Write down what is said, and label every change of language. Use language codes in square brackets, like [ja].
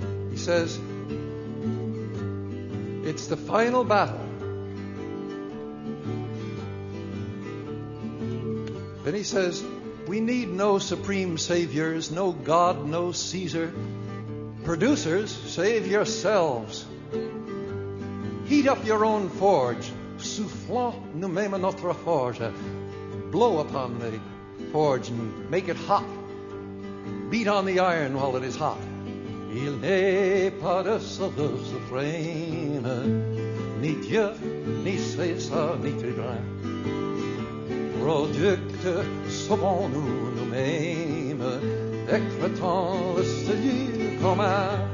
[en] He says, it's the final battle. Then he says, we need no supreme saviors, no God, no Caesar. Producers, save yourselves. Heat up your own forge. [fr] Soufflons nous-mêmes notre forge. [en] Blow upon the forge and make it hot. Beat on the iron while it is hot. [fr] Il n'est pas de sauveur frame, ni Dieu, ni César, ni tribun. Producte, sauvons-nous nous-mêmes, décrétons le salut commun.